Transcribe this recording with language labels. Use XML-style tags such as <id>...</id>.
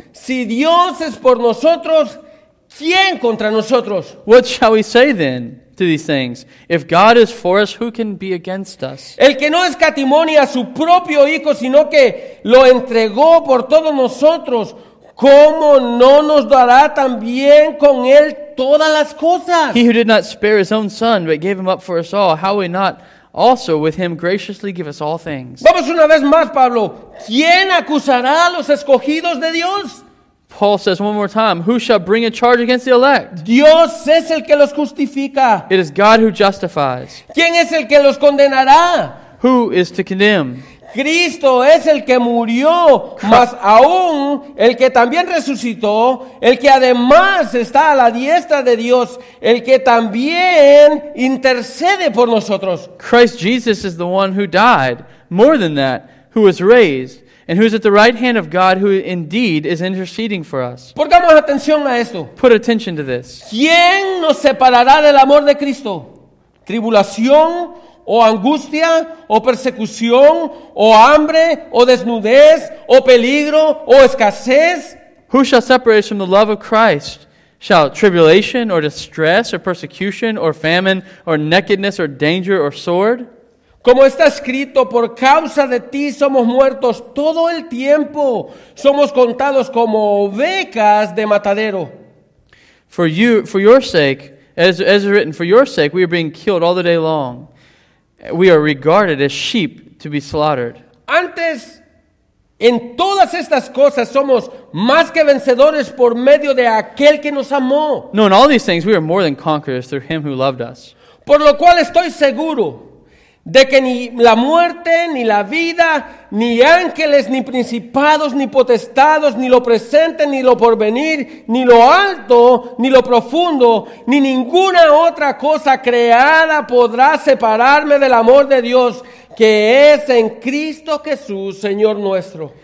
<es>Si Dios es por nosotros, ¿quién contra nosotros?</es> <en>What shall we say then to these things? If God is for us, who can be against us?</en> <es>El que no escatimó ni a su propio hijo, sino que lo entregó por todos nosotros, ¿cómo no nos dará también con él todas las cosas?</es> <en>He who did not spare his own son, but gave him up for us all, how will he not also with him graciously give us all things?</en> <es>Vamos una vez más, Pablo. ¿Quién acusará a los escogidos de Dios?</es> <en>Paul says one more time, who shall bring a charge against the elect?</en> <es>Dios es el que los justifica.</es> <en>It is God who justifies.</en> <es>¿Quién es el que los condenará?</es> <en>Who is to condemn?</en> <es>Cristo es el que murió, más aún el que también resucitó, el que además está a la diestra de Dios, el que también intercede por nosotros.</es> <en>Christ Jesus is the one who died, more than that, who was raised, and who is at the right hand of God, who indeed is interceding for us.</en> <es>Pongamos atención a esto.</es> <en>Put attention to this.</en> <es>¿Quién nos separará del amor de Cristo? ¿Tribulación, o angustia, o persecución, o hambre, o desnudez, o peligro, o escasez?</es> <en>Who shall separate us from the love of Christ? Shall tribulation, or distress, or persecution, or famine, or nakedness, or danger, or sword?</en> <es>Como está escrito, por causa de ti somos muertos todo el tiempo. Somos contados como ovejas de matadero.</es> <en>For your sake, as written, for your sake we are being killed all the day long. We are regarded as sheep to be slaughtered.</en> <es>Antes, en todas estas cosas somos más que vencedores por medio de aquel que nos amó.</es> <en>No, in all these things we are more than conquerors through him who loved us.</en> <es>Por lo cual estoy seguro de que ni la muerte, ni la vida, ni ángeles, ni principados, ni potestados, ni lo presente, ni lo porvenir, ni lo alto, ni lo profundo, ni ninguna otra cosa creada podrá separarme del amor de Dios que es en Cristo Jesús, Señor nuestro.</es>